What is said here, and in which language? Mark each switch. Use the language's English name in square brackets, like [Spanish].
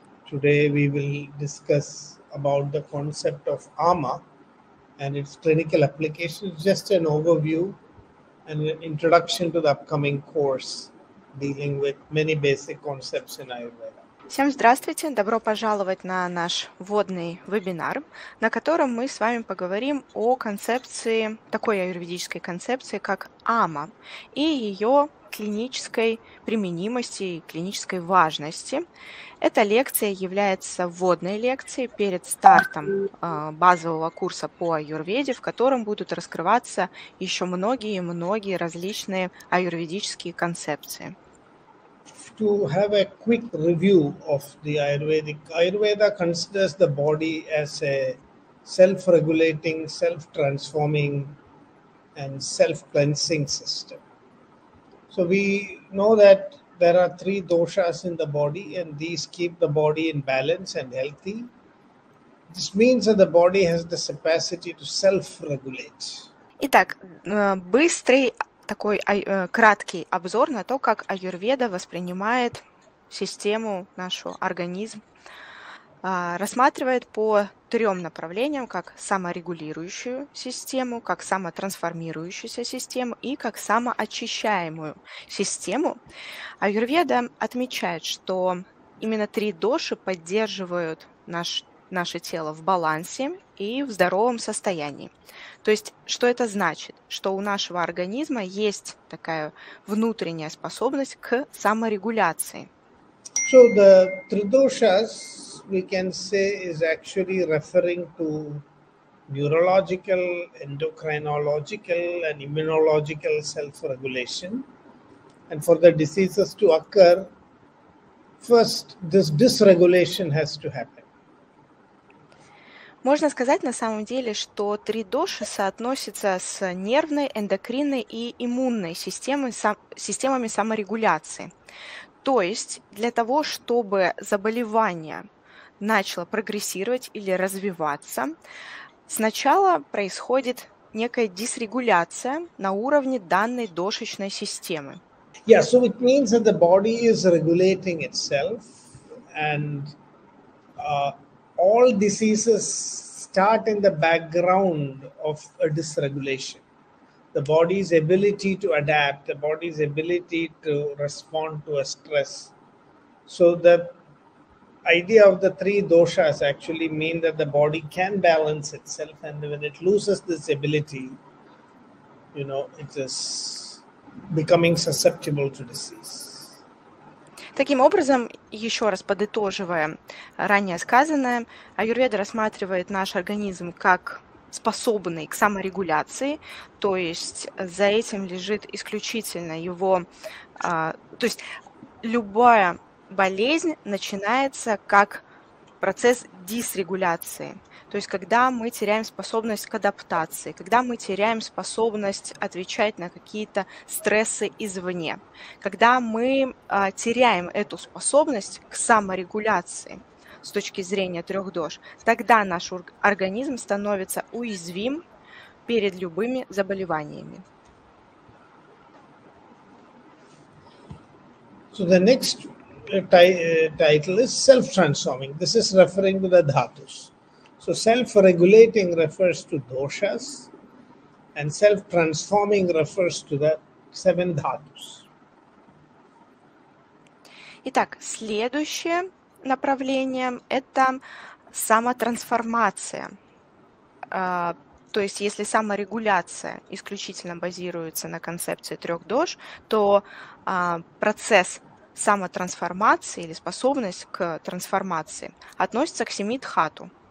[English] Today we will discuss about the concept of AMA and its clinical applications, just an overview and an introduction to the upcoming course dealing with many basic concepts in Ayurveda. [Russian] Всем здравствуйте! Добро пожаловать на наш вводный вебинар, на котором мы с вами поговорим о концепции, такой аюрведической концепции, как АМА, и ее клинической применимости, клинической важности. Эта лекция является вводной лекцией перед стартом базового курса по аюрведе, в котором будут раскрываться еще многие-многие различные аюрведические концепции. [English] To have a quick review of the Ayurvedic. Ayurveda considers the body as a self-regulating, self-transforming and self-cleansing system. So we know that there are three doshas in the body and these keep the body in balance and healthy. This means that the body has the capacity to self-regulate. [Russian] Итак, быстрый такой краткий обзор на то, как аюрведа воспринимает систему, нашу организм, рассматривает по трем направлениям, как саморегулирующую систему, как самотрансформирующуюся систему и как самоочищаемую систему. Аюрведа отмечает, что именно три доши поддерживают наше тело в балансе и в здоровом состоянии. То есть, что это значит? Что у нашего организма есть такая внутренняя способность к саморегуляции. [English] So the tridoshas, we can say, is actually referring to neurological, endocrinological and immunological self-regulation. And for the diseases to occur, first this dysregulation has to happen. [Russian] Можно сказать на самом деле, что три доши соотносятся с нервной, эндокринной и иммунной системами саморегуляции. То есть для того, чтобы заболевание начало прогрессировать или развиваться, сначала происходит некая дисрегуляция на уровне данной дошечной системы. [English] Yeah, so it means that the body is regulating itself and all diseases start in the background of a dysregulation. The body's ability to adapt, the body's ability to respond to a stress. So the idea of the three doshas actually mean that the body can balance itself, and when it loses this ability, you know, it is becoming susceptible to disease. [Russian] Таким образом, еще раз подытоживая ранее сказанное, аюрведа рассматривает наш организм как способный к саморегуляции, то есть за этим лежит исключительно его... То есть любая болезнь начинается как процесс дисрегуляции, то есть когда мы теряем способность к адаптации, когда мы теряем способность отвечать на какие-то стрессы извне, когда мы теряем эту способность к саморегуляции с точки зрения трех дош, тогда наш организм становится уязвим перед любыми заболеваниями. [English] So the next title is self-transforming. This is referring to the dhatus. So self-regulating refers to doshas and self-transforming refers to the seven dhatus. [Russian] Итак, следующее направление – это самотрансформация. То есть если саморегуляция исключительно базируется на концепции трех дош, то процесс самотрансформации или способность к трансформации относится к семи дхату.